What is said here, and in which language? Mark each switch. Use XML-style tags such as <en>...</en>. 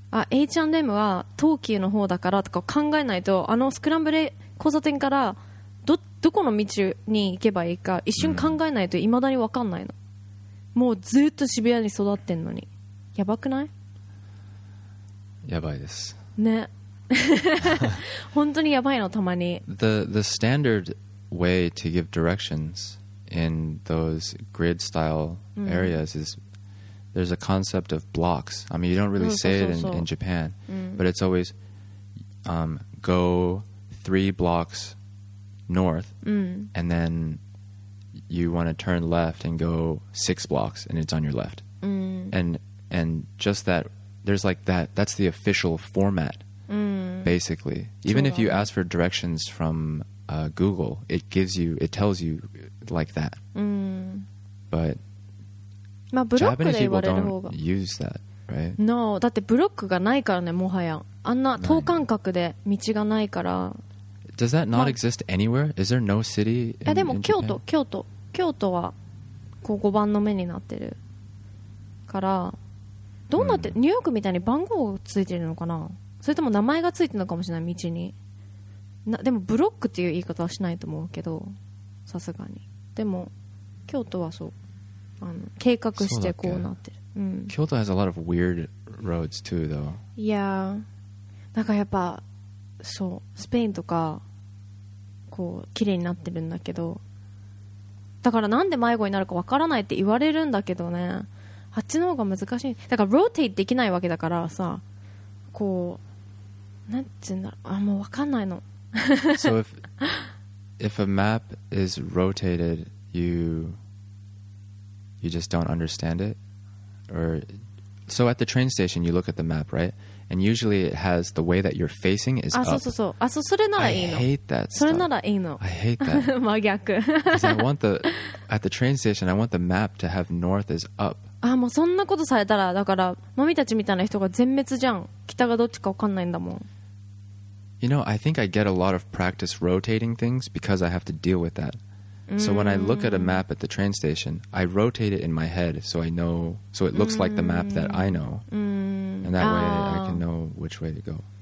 <ja>H&M は東急の方だからとか考えないとあのスクランブル交差点から どこの道に行けばいいか一瞬考えないと未だに分かんないの、うん、もうずっと渋谷に育ってんのにやばくない？やばいですね本当にやばいのたまに</ja> <en>The standard way to give directions in those grid style areas is、うんThere's a concept of blocks. I mean, you don't really say it in Japan, but it's always go 3 blocks north, and then you want to turn left and go 6 blocks, and it's on your left. And just that, there's like that. That's the official format, basically. Even if you ask for directions from Google, it tells you like that. But...</en> <ja>まあ、ブロックで言われる方が</ja> <en>use that,、right?</en> <ja>no、だってブロックがないからねもはやあんな等間隔で道がないから</ja> <en>Does that not exist anywhere? Is there no city in Japan?</en> <ja>でも京都京都京都はこう5番の目になってるからどうなって、ニューヨークみたいに番号がついてるのかなそれとも名前がついてるのかもしれない道にでもブロックっていう言い方はしないと思うけどさすがにでも京都はそうあの計画してこうなってる、うん、</ja> <en>京都 has a lot of weird roads too though</en> <ja>yeah なんかやっぱそうスペインとかこう綺麗になってるんだけどだからなんで迷子になるかわからないって言われるんだけどねあっちの方が難しいだからローテイできないわけだからさこうなんていうんだろうあもうわかんないの</ja> <en>so if a map is rotated you just don't understand it or so at the train station you look at the map right and usually it has the way that you're facing is up</en> <ja>それならいいの</ja> <en>I hate that</en> <ja>それならいいの</ja> <en>I hate that</en> <ja>真逆</ja> <en>because I want the at the train station I want the map to have north is up</en> <ja>あもうそんなことされたらだからマミたちみたいな人が全滅じゃん北がどっちか分かんないんだもん</ja> <en>you know I think I get a lot of practice rotating things because I have to deal with thatSo when I look at a map at the train station, I rotate it in my head so I know, so it looks like the map that I know. And that way I can know which way to go.</en>